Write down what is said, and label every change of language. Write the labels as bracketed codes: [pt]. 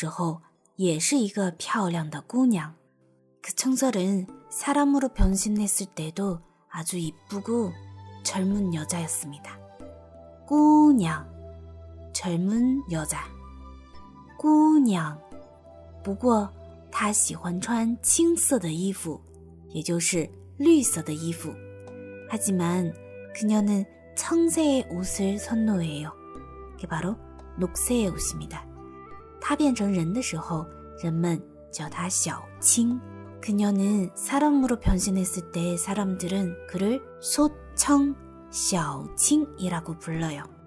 [zh] 那青蛇变成人的时候也是一个漂亮的姑娘。 [ko] 그 청설은 사람으로 변신했을 때도 아주 이쁘고 젊은 여자였습니다. [zh] 姑娘 [ko] 젊은 여자 [zh] 姑娘不过她喜欢穿青色的衣服也就是绿色的衣服。 [ko] 하지만 그녀는 청색의 옷을 선호해요. 그게 바로 녹색의 옷입니다. [zh] 她变成人的时候人们叫她小青。 [ko] 그녀는 사람으로 변신했을 때 사람들은 그를 소청 小青이라고 불러요.